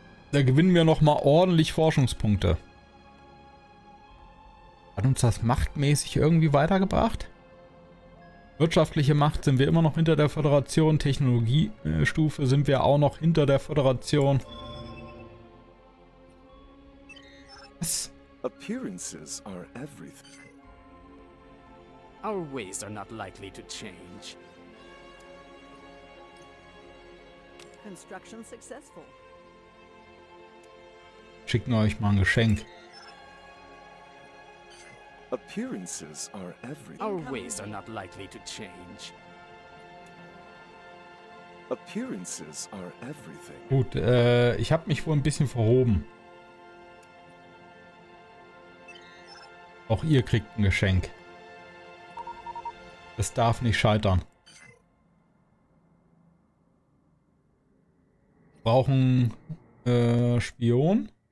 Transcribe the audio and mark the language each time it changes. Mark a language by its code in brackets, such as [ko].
[de] Da gewinnen wir nochmal ordentlich Forschungspunkte. Hat uns das machtmäßig irgendwie weitergebracht? Wirtschaftliche Macht sind wir immer noch hinter der Föderation. Technologiestufe sind wir auch noch hinter der Föderation. Was? [en] Appearances are everything. Our ways are not likely to change. Construction successful. [de] Schicken euch mal ein Geschenk. [en] Appearances are everything. Our ways are not likely to change. Appearances are everything. [de] Gut, ich habe mich wohl ein bisschen verhoben. Auch ihr kriegt ein Geschenk. Es darf nicht scheitern. Wir brauchen Spion.